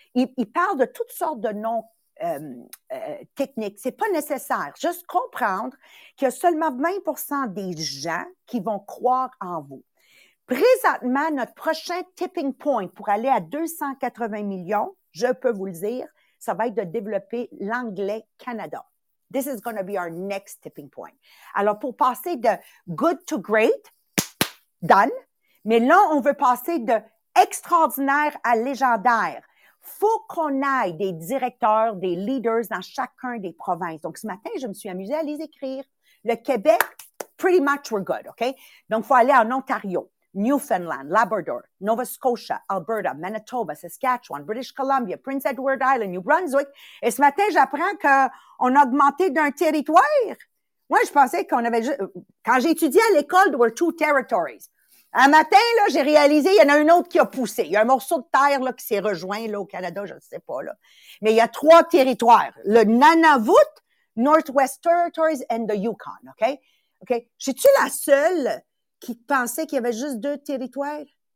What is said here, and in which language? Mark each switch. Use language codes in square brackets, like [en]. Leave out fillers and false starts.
[fr] Il parle de toutes sortes de noms techniques. C'est pas nécessaire. Juste comprendre qu'il y a seulement 20 % des gens qui vont croire en vous. Présentement, notre prochain tipping point pour aller à 280 millions, je peux vous le dire, ça va être de développer l'anglais Canada. [en] This is going to be our next tipping point. [fr] Alors, pour passer de good to great, done, mais là, on veut passer de extraordinaire à légendaire. Faut qu'on aille des directeurs, des leaders dans chacun des provinces. Donc, ce matin, je me suis amusée à les écrire. Le Québec, [en] pretty much we're good, OK? [fr] Donc, faut aller en Ontario. [en] Newfoundland, Labrador, Nova Scotia, Alberta, Manitoba, Saskatchewan, British Columbia, Prince Edward Island, New Brunswick. [fr] Et ce matin, j'apprends qu'on a augmenté d'un territoire. Moi, je pensais qu'on avait juste... Quand j'étudiais à l'école, [en] there were two territories. [fr] Un matin, là, j'ai réalisé, il y en a un autre qui a poussé. Il y a un morceau de terre là, qui s'est rejoint là, au Canada, je ne sais pas. Là. Mais il y a trois territoires. Le Nunavut, Northwest Territories and the Yukon. OK? OK? J'suis-tu la seule qui pensait qu'il y avait juste deux territoires?